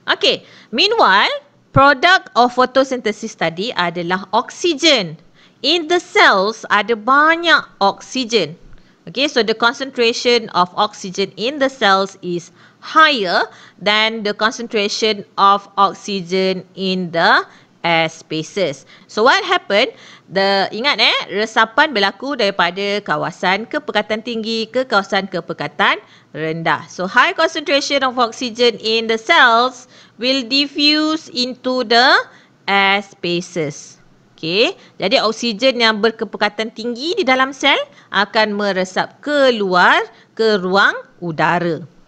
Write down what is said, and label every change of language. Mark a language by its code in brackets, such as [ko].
[en] Okay, meanwhile, product of photosynthesis [ms] tadi adalah oksigen. [en] In the cells, [ms] ada banyak oksigen. [en] Okay, so the concentration of oxygen in the cells is higher than the concentration of oxygen in the air spaces. So what happened? [ms] Resapan berlaku daripada kawasan kepekatan tinggi ke kawasan kepekatan rendah. [en] So high concentration of oxygen in the cells will diffuse into the air spaces. [ms] Okay, jadi oksigen yang berkepekatan tinggi di dalam sel akan meresap keluar ke ruang udara.